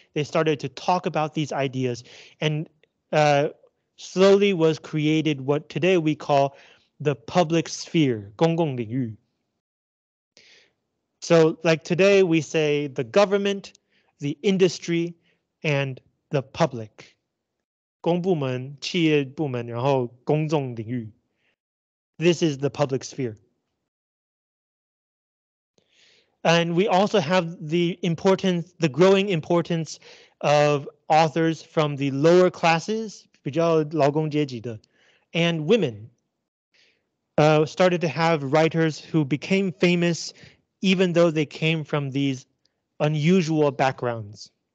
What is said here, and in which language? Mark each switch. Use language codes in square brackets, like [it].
[en] They started to talk about these ideas. And slowly was created what today we call the public sphere, 公共领域. So like today we say the government, the industry, and the public. [zh] 公部门,企业部门,然后公众领域. [en] This is the public sphere. And we also have the growing importance of authors from the lower classes, [zh] 比较劳工阶级的, [en] and women started to have writers who became famous even though they came from these unusual backgrounds.